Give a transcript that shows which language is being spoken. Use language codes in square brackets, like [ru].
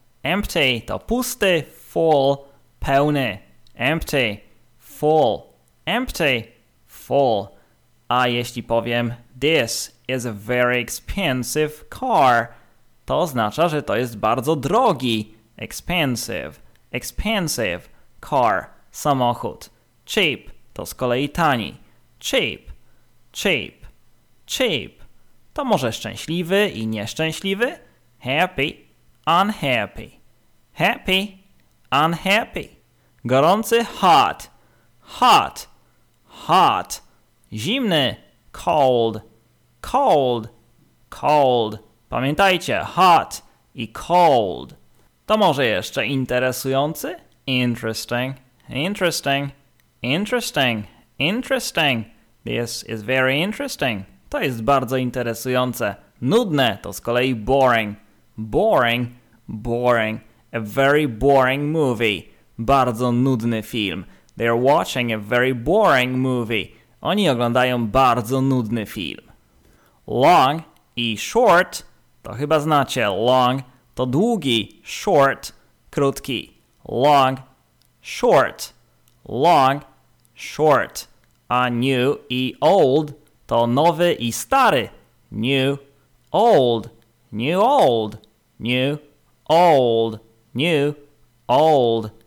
[pl] Empty to pusty, full, pełny. [en] Empty, full, empty. Full. [pl] A jeśli powiem [en] this is a very expensive car, [pl] to oznacza, że to jest bardzo drogi. [en] Expensive, expensive, car, samochód. [pl] Cheap to z kolei tani. Cheap, cheap, cheap. To może szczęśliwy i nieszczęśliwy? [en] Happy, unhappy. Happy, unhappy. Gorący, hot, hot, hot. Zimny, cold, cold, cold. [pl] Pamiętajcie, hot i cold. To może jeszcze interesujący? [en] Interesting, interesting, interesting, interesting. This is very interesting. [pl] To jest bardzo interesujące. Nudne to z kolei boring. Boring, boring. [en] A very boring movie. [pl] Bardzo nudny film. [en] They're watching a very boring movie. [pl] Oni oglądają bardzo nudny film. Long i short to chyba znacie. Long to długi, short, krótki. [en] Long, short, long, short. [pl] A new i old to nowy i stary. [en] New, old, new, old, new, old, new, old.